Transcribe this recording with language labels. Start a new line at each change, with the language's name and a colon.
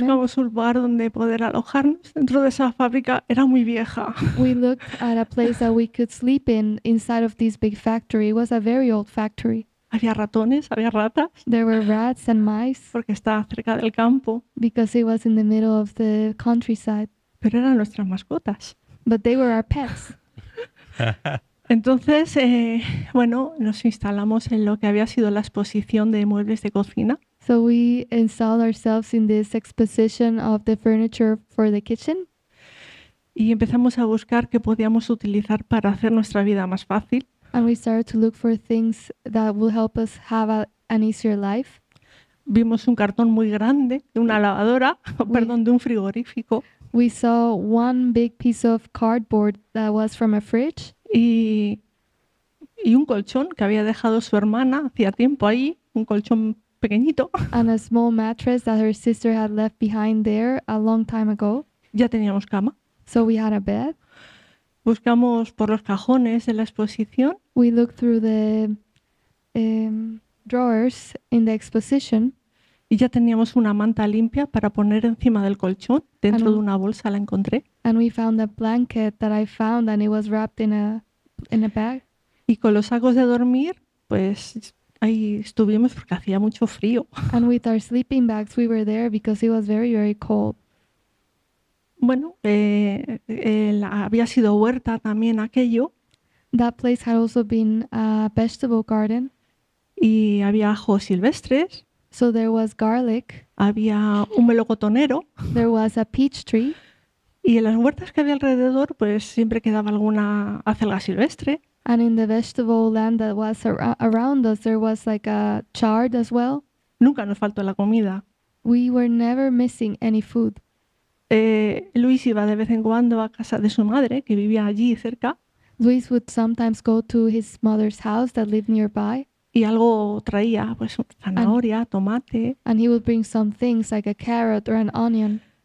Spanish: Buscamos un lugar donde poder alojarnos dentro de esa fábrica. Era muy vieja.
English: We looked at a place that we could sleep in inside of this big factory. It was a very old factory.
Spanish: Había ratones, había ratas.
English: There were rats and mice.
Spanish: Porque estaba cerca del campo.
English: Because it was in the middle of the countryside.
Spanish: Pero eran nuestras mascotas.
English: But they were our pets.
Spanish: Entonces, bueno, nos instalamos en lo que había sido la exposición de muebles de cocina.
English: So we installed ourselves in this exposition of the furniture for the kitchen.
Spanish: Y empezamos a buscar qué podíamos utilizar para hacer nuestra vida más fácil.
English: And we started to look for things that will help us have an easier life.
Spanish: Vimos un cartón muy grande de una lavadora, perdón, de un frigorífico.
English: We saw one big piece of cardboard that was from a fridge.
Spanish: Y un colchón que había dejado su hermana hacía tiempo ahí, un colchón pequeñito.
English: And a small mattress that her sister had left behind there a long time ago.
Spanish: Ya teníamos cama.
English: So we had a bed.
Spanish: Buscamos por los cajones de la exposición.
English: We looked through the drawers in the exposition.
Spanish: Y ya teníamos una manta limpia para poner encima del colchón. Dentro de una bolsa la encontré.
English: And we found a blanket that I found and it was wrapped in a bag.
Spanish: Y con los sacos de dormir, pues ahí estuvimos porque hacía mucho frío.
English: And with our sleeping bags we were there because it was very, very cold.
Spanish: Bueno, había sido huerta también aquello.
English: That place had also been a vegetable garden.
Spanish: Y había ajos silvestres.
English: So there was garlic.
Spanish: Había un melocotonero.
English: There was a peach tree.
Spanish: Y en las huertas que había alrededor, pues siempre quedaba alguna acelga silvestre.
English: And in the vegetable land that was around us, there was like a chard as well.
Spanish: Nunca nos faltó la comida.
English: We were never missing any food.
Spanish: Luis iba de vez en cuando a casa de su madre, que vivía allí cerca.
English: Luis would sometimes go to his mother's house that lived nearby.
Spanish: Y algo traía, pues zanahoria, tomate.
English: And he would bring some things like a carrot or an onion.